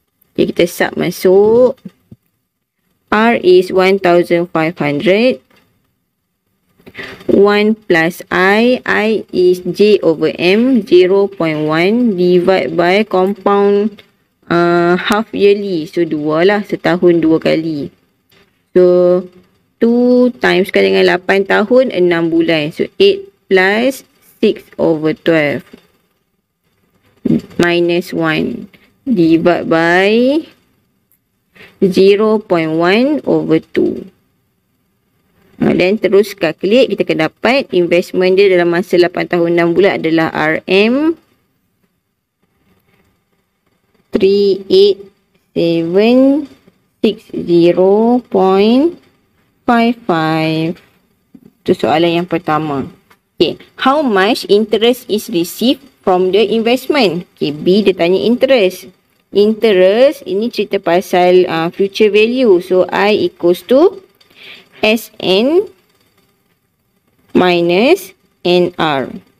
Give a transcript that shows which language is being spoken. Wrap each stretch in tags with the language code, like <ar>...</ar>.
<ms>Okay, kita sub masuk.</ms> <en>R is 1,500. 1 plus I. I is J over M. 0.1 divide by compound half yearly.</en> <ms>So, 2 lah. Setahun 2 kali.</ms> <en>So, 2 times</en> <ms>kan dengan 8 tahun, 6 bulan.</ms> <en>So, 8 plus 6 over 12 minus 1 divide by 0.1 over 2.</en> <ms>Dan terus calculate, kita akan dapat investment dia dalam masa 8 tahun 6 bulan adalah RM38760.55. Itu soalan yang pertama.</ms> <en>Okay, how much interest is received from the investment?</en> <ms>Okay, B, dia tanya interest. Interest, ini cerita pasal future value.</ms> <en>So, I equals to SN minus NR.</en>